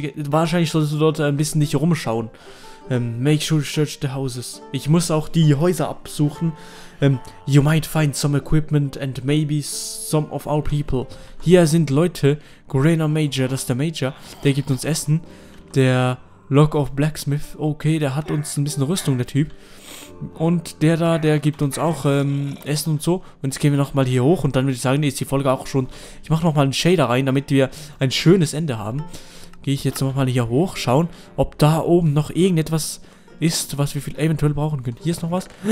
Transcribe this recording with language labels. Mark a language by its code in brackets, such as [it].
[de] Wahrscheinlich solltest du dort ein bisschen nicht rumschauen. [en] Make sure to search the houses. [de] Ich muss auch die Häuser absuchen. [en] You might find some equipment and maybe some of our people. [de] Hier sind Leute. Grena Major, das ist der Major. Der gibt uns Essen. Der Lock of Blacksmith, okay, der hat uns ein bisschen Rüstung, der Typ. Und der da, der gibt uns auch Essen und so. Und jetzt gehen wir nochmal hier hoch und dann würde ich sagen, ist die Folge auch schon... Ich mache nochmal einen Shader rein, damit wir ein schönes Ende haben. Gehe ich jetzt nochmal hier hoch, schauen, ob da oben noch irgendetwas ist, was wir eventuell brauchen können. Hier ist noch was.